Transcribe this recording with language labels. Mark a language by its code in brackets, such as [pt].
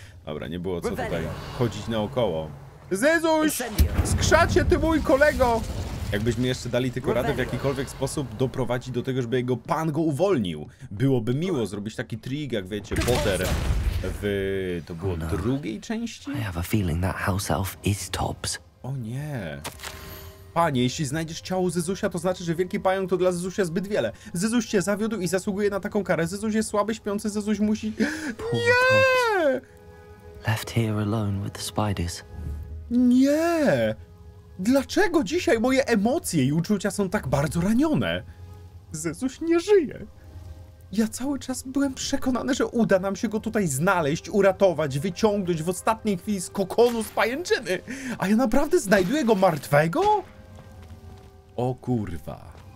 [pl] Dobra, nie było co tutaj chodzić naokoło. Zyzuś! Skrzacie, ty mój kolego! Jakbyśmy jeszcze dali tylko radę w jakikolwiek sposób doprowadzić do tego, żeby jego pan go uwolnił. Byłoby miło zrobić taki trik, jak wiecie, Potter w... To było w drugiej części? [en] I have a feeling that house elf is tops. [pl] O nie... Panie, jeśli znajdziesz ciało Zyzusia, to znaczy, że wielki pająk to dla Zyzusia zbyt wiele. Zyzuś cię zawiódł i zasługuje na taką karę. Zyzuś jest słaby, śpiący. Zyzuś musi... Nie! [en] Left here alone with the spiders. [pl] Nie! Dlaczego dzisiaj moje emocje i uczucia są tak bardzo ranione? Zyzuś nie żyje. Ja cały czas byłem przekonany, że uda nam się go tutaj znaleźć, uratować, wyciągnąć w ostatniej chwili z kokonu z pajęczyny. A ja naprawdę znajduję go martwego? O kurwa.